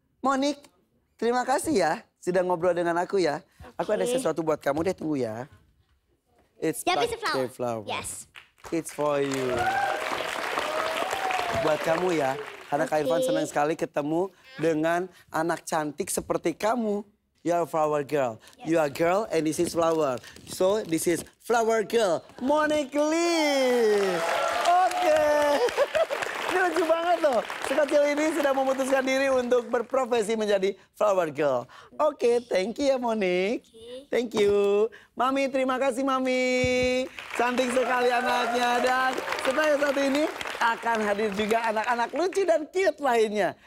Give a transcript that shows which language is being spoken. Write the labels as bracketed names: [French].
[Indonesian] Monique, terima kasih ya sudah ngobrol dengan aku ya. Okay. Aku ada sesuatu buat kamu deh, tunggu ya. [English] It's birthday flower. Yes. It's for you. [Indonesian] Buat kamu ya. Karena okay. Kak Irfan senang sekali ketemu dengan anak cantik seperti kamu. [English] You are a flower girl. Yes. You are a girl and this is flower. So this is flower girl, Monique Lee. [Indonesian] Okay. Ini lucu banget loh. Sekecil ini sudah memutuskan diri untuk berprofesi menjadi flower girl. [English] Okay, thank you ya Monique. Okay. Thank you. Mami, [Indonesian] terima kasih Mami. Cantik sekali anaknya. Dan setelah satu ini akan hadir juga anak-anak lucu dan cute lainnya.